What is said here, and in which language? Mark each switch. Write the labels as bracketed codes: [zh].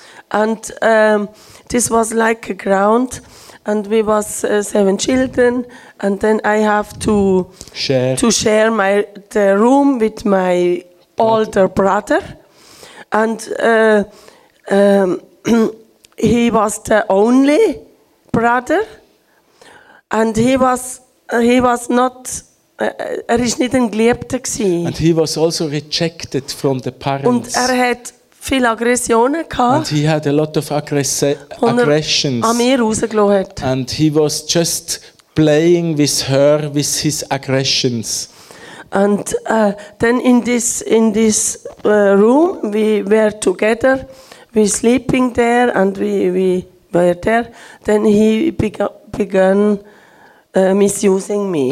[en] And this was like a ground, and we was seven children, and then I have to share the room with my older brother. And he was the only brother. And he was [gsw] nicht ein Geliebter gsi. [en] And he was also rejected from the parents. [de] Und er hat viel Aggressionen gehabt. [en] And he had a lot of aggressions. [de] An mir rausgelassen hat. [en] And he was just playing with her, with his aggressions. And then in this room, we were together, we sleeping there, and we were there. Then he began. Misusing me.